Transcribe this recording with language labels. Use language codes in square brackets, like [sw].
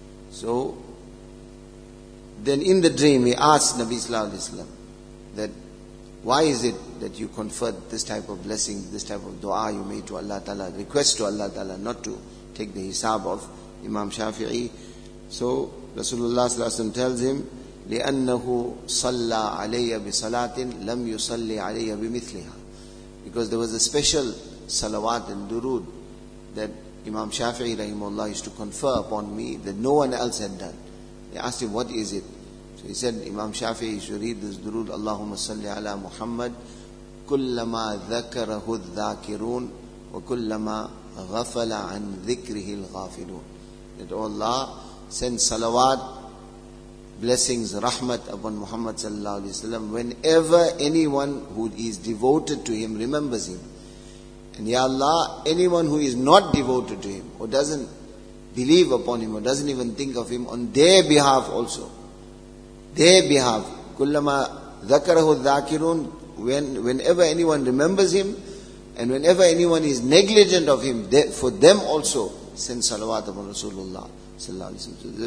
[en] So then in the dream he asked Nabi Sallallahu Alaihi Wasallam that why is it that you conferred this type of blessing, this type of dua you made to Allah Ta'ala, request to Allah Ta'ala not to take the hisab of Imam Shafi'i. So Rasulullah Sallallahu Alaihi Wasallam tells him, [ar] لِأَنَّهُ صَلَّى عَلَيَّ بِصَلَاةٍ لَمْ يُصَلِّ عَلَيَّ بِمِثْلِهَا. [en] Because there was a special salawat and durood that Imam Shafi'i rahimahullah used to confer upon me that no one else had done. They asked him, what is it? So he said, Imam Shafi'i, you should read this durood, [ar] اللَّهُمَّ صَلِّ عَلَى مُحَمَّدْ كُلَّمَا ذَكَرَهُ الذَّاكِرُونَ وَكُلَّمَا غَفَلَ عَنْ ذِكْرِهِ الْغَافِلُونَ. [en] That, O Allah, send salawat, blessings, rahmat upon Muhammad sallallahu alaihi wasallam whenever anyone who is devoted to him remembers him. And ya Allah, anyone who is not devoted to him or doesn't believe upon him or doesn't even think of him, on their behalf also, their behalf, [ar] kullama dhakarahu dhakirun, [en] whenever anyone remembers him and whenever anyone is negligent of him, they, for them also, send salawat upon Rasulullah sallallahu alaihi wasallam.